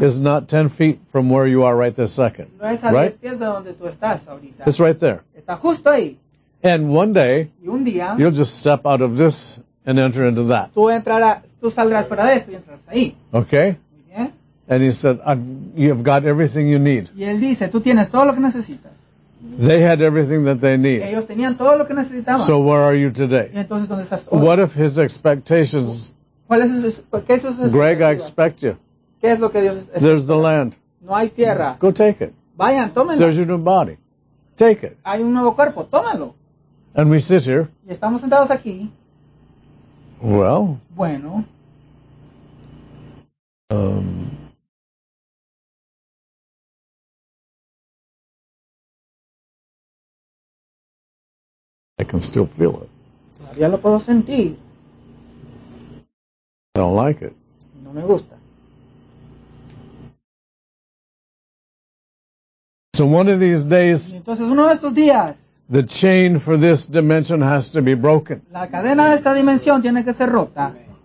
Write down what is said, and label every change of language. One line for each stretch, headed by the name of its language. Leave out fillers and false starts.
English: is not 10 feet from where you are right this second.
Spanish: No es a
English: right?
Spanish: 10 pies de donde tú estás ahorita.
English: It's right there.
Spanish: Está justo ahí.
English: And one day,
Spanish: y un día,
English: you'll just step out of this and enter into that.
Spanish: Tú entrarás, tú saldrás fuera de esto y entrarás ahí.
English: Okay.
Spanish: Muy bien.
English: And he said, you've got everything you need.
Spanish: Y él dice, tú tienes todo lo que necesitas.
English: They had everything that they need.
Spanish: Ellos tenían todo lo que necesitaban.
English: So where are you today?
Spanish: ¿Y entonces, dónde estás?
English: What if his expectations?
Spanish: ¿Cuál es su, qué es su
English: Greg, I expect you.
Spanish: ¿Qué es lo que Dios
English: there's the land.
Spanish: No hay tierra.
English: Go take it.
Spanish: Vayan, tómenlo.
English: There's your new body. Take it.
Spanish: Hay un nuevo cuerpo. Tómalo.
English: And we sit here.
Spanish: Y estamos sentados aquí.
English: Well.
Spanish: Bueno.
English: I can still feel it.
Spanish: Todavía lo puedo sentir.
English: I don't like it.
Spanish: No me gusta.
English: So one of these days,
Spanish: entonces, uno de estos días,
English: the chain for this dimension has to be broken.
Spanish: La cadena de esta dimensión tiene que ser rota.